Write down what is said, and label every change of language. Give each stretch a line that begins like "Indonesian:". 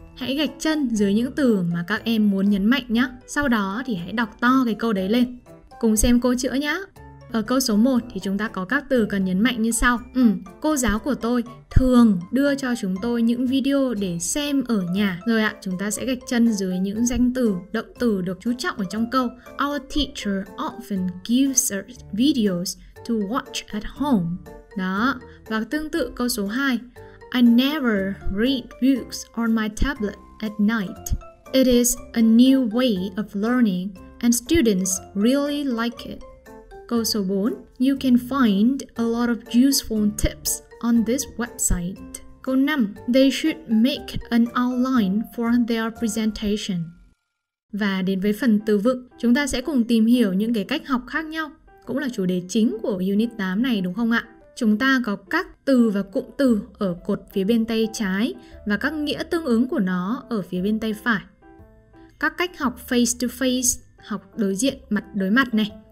Vietnamese: Hãy gạch chân dưới những từ mà các em muốn nhấn mạnh nhé. Sau đó thì hãy đọc to cái câu đấy lên. Cùng xem cô chữa nhé. Ở câu số 1 thì chúng ta có các từ cần nhấn mạnh như sau. Cô giáo của tôi thường đưa cho chúng tôi những video để xem ở nhà. Rồi ạ, chúng ta sẽ gạch chân dưới những danh từ, động từ được chú trọng ở trong câu.
English: Our teacher often gives us videos to watch at home.
Vietnamese: Đó, và tương tự câu số 2.
English: I never read books on my tablet at night. It is a new way of learning and students really like it.
Vietnamese: Câu số 4.
English: You can find a lot of useful tips on this website.
Vietnamese: Câu 5.
English: They should make an outline for their presentation.
Vietnamese: Và đến với phần từ vựng, chúng ta sẽ cùng tìm hiểu những cái cách học khác nhau. Cũng là chủ đề chính của Unit 8 này đúng không ạ? Chúng ta có các từ và cụm từ ở cột phía bên tay trái và các nghĩa tương ứng của nó ở phía bên tay phải. Các cách học face to face, học đối diện, mặt đối mặt này.